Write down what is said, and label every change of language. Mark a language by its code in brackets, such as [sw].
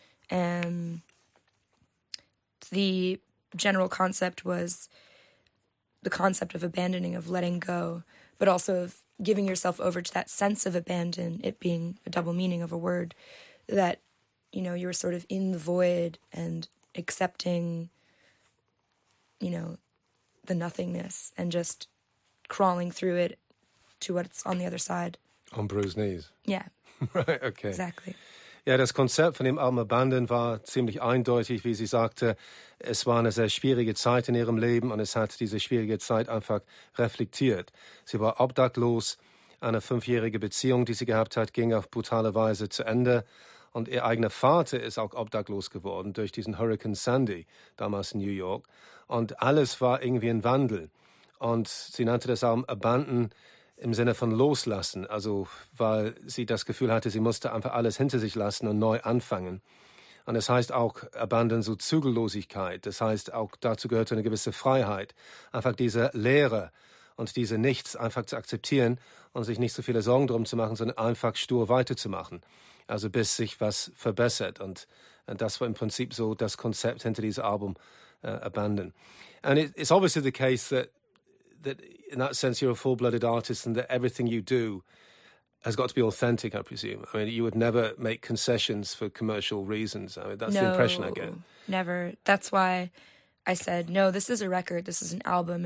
[en] And the general concept was the concept of abandoning, of letting go, but also of giving yourself over to that sense of abandon, it being a double meaning of a word, that, you know, you were sort of in the void and accepting, you know, the nothingness and just crawling through it to what's on the other side. On bruised knees. Yeah. Right, okay. Exactly. [de] Ja, das Konzept von dem Album Abandon war ziemlich eindeutig, wie sie sagte. Es war eine sehr schwierige Zeit in ihrem Leben und es hat diese schwierige Zeit einfach reflektiert. Sie war obdachlos. Eine 5-jährige Beziehung, die sie gehabt hat, ging auf brutale Weise zu Ende. Und ihr eigener Vater ist auch obdachlos geworden durch diesen Hurricane Sandy damals in New York. Und alles war irgendwie ein Wandel. Und sie nannte das Album Abandon im Sinne von loslassen. Also, weil sie das Gefühl hatte, sie musste einfach alles hinter sich lassen und neu anfangen. Und es heißt auch Abandon, so Zügellosigkeit. Das heißt, auch dazu gehört eine gewisse Freiheit. Einfach diese Leere. und diese Nichts einfach zu akzeptieren und sich nicht so viele Sorgen drum zu machen, sondern einfach stur weiterzumachen. Also bis sich was verbessert. Und das war im Prinzip so das Konzept hinter diesem Album, Abandon. [en] And it's obviously the case that in that sense you're a full-blooded artist and that everything you do has got to be authentic, I presume. I mean, you would never make concessions for commercial reasons. I mean, that's the impression I get. Never. That's why I said, no, this is a record, this is an album.